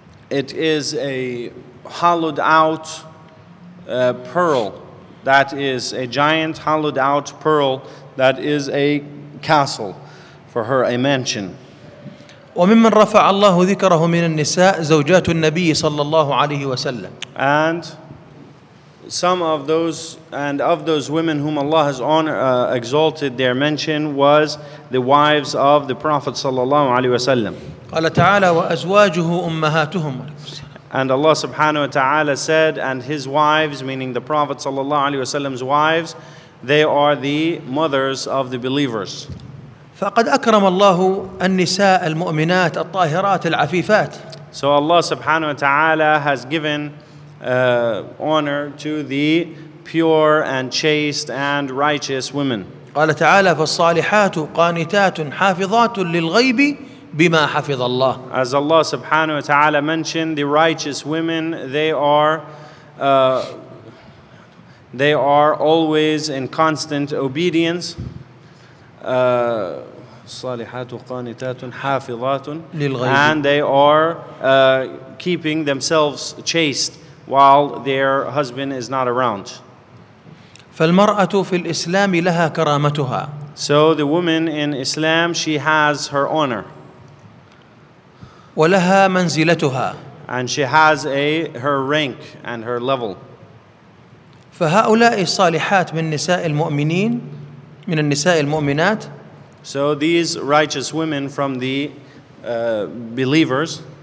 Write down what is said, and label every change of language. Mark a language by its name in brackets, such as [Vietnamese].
[English] It is a hollowed out pearl. That is a giant hollowed out pearl that is a castle for her, a mansion. [Arabic] وممن رفع الله ذكره من النساء زوجات النبي صلى الله عليه وسلم. [English] And some of those women whom Allah has honored, exalted their mention was the wives of the Prophet [Arabic] صلى الله عليه وسلم. قال تعالى وأزواجه أمهاتهم. [English] And Allah subhanahu wa ta'ala said, and his wives, meaning the Prophet sallallahu alaihi wasallam's wives, they are the mothers of the believers. [Arabic] فقد أكرم الله النساء المؤمنات الطاهرات العفيفات. [English] So Allah subhanahu wa ta'ala has given honor to the pure and chaste and righteous women. [Arabic] قال تعالى فالصالحات قانتات حافظات للغيب بما حفظ الله. [English] As Allah subhanahu wa ta'ala mentioned, the righteous women, they are always in constant obedience. [Arabic] صالحات قانتات حافظات للغيب. [English] And they are keeping themselves chaste while their husband is not around. [Arabic] فالمرأة في الإسلام لها كرامتها. [English] So the woman in Islam, she has her honor. [Arabic] ولها منزلتها. [English] And she has her rank and her level. [Arabic] فهؤلاء الصالحات من نساء المؤمنين من النساء المؤمنات. [English] So these righteous women from the believers.